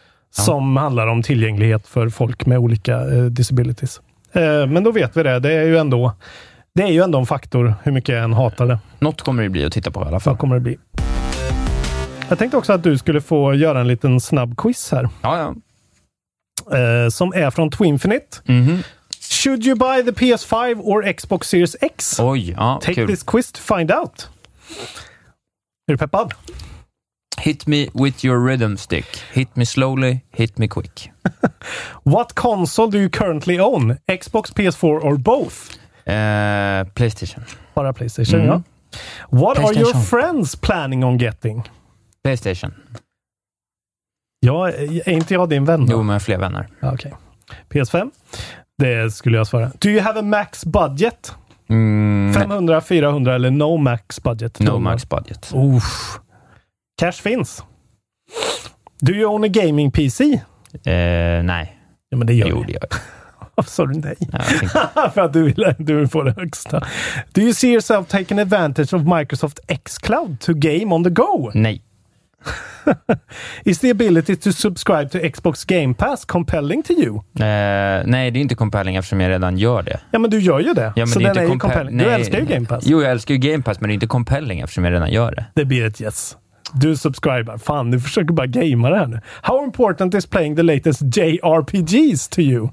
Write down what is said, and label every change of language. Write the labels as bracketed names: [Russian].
[Swedish] Som handlar om tillgänglighet för folk med olika disabilities. Men då vet vi det. Det är ju ändå en faktor hur mycket jag än hatar det. Något kommer det bli att titta på i alla fall. Vad kommer det bli? Jag tänkte också att du skulle få göra en liten snabb quiz här. Ja. Som är från Twinfinite. Mm-hmm. [English] Should you buy the PS5 or Xbox Series X? [Swedish] Oj, ja. [English] Take [Swedish] kul. [English] This quiz to find out. [Swedish] Är du peppad? [English] Hit me with your rhythm stick. Hit me slowly, hit me quick. What console do you currently own? Xbox, PS4 or both? PlayStation. [Swedish] Bara [English] PlayStation, mm-hmm. Ja. What PlayStation. Are your friends planning on getting? PlayStation. [Swedish] Ja, är inte jag din vän då? Jo, men fler vänner. Okej. [English] PS5? [Swedish] Det skulle jag svara. [English] Do you have a max budget? Mm, 500, 400 [Swedish] eller [English] no max budget? No max budget. [Swedish] Uff. Cash finns. [English] Do you own a gaming PC? [Swedish] Nej. Ja, men det gör jo, jag. Det gör jag. Sorry, nej. Nej, för att du vill få det högsta. [English] Do you see yourself taking advantage of Microsoft xCloud to game on the go? [Swedish] Nej. [English] Is the ability to subscribe to Xbox Game Pass compelling to you? [Swedish] Nej, det är inte compelling eftersom jag redan gör det. Ja, men du gör ju det. Ja, men så det är inte compelling. Nej, du älskar ju Game Pass. Jo, jag älskar ju Game Pass, men det är inte compelling eftersom jag redan gör det. Det blir ett yes. Du subscriber, fan, du försöker bara gama det här nu. [English] How important is playing the latest JRPGs to you?